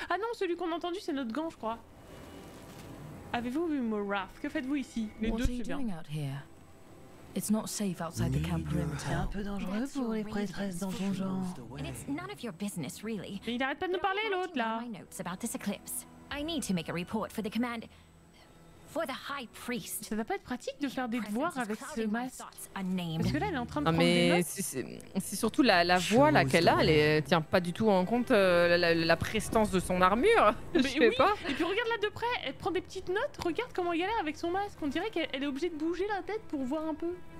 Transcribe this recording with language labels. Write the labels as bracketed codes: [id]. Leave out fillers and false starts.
[fr] Ah non, celui qu'on a entendu, c'est notre gant, je crois. Avez-vous vu Morath? Que faites-vous ici? Les deux, c'est bien. [en] It's not safe outside the camp perimeter. [fr] C'est un peu dangereux pour les prêtresses dans ton genre. [en] It's none of your business, really. [fr] Mais il n'arrête pas de nous parler, l'autre là. [en] I need to make a report for the command for the high priest. [fr] Ça va pas être pratique de faire des devoirs avec ce masque. Parce que là elle est en train de prendre mais des notes. C'est surtout la voix là qu'elle a, elle tient pas du tout en compte la prestance de son armure. Mais je oui. Pas. Et puis regarde là de près, elle prend des petites notes, regarde comment elle galère avec son masque, on dirait qu'elle est obligée de bouger la tête pour voir un peu.